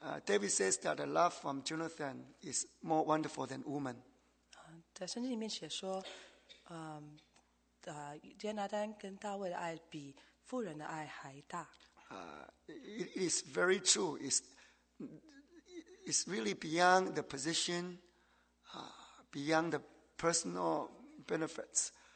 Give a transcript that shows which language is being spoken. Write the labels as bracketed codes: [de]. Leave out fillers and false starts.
[en] David says that the love from Jonathan is more wonderful than woman. [zh] 在圣经里面写说，约拿单跟大卫的爱比妇人的爱还大. [en] It is very true. It's really beyond the position, beyond the personal benefits.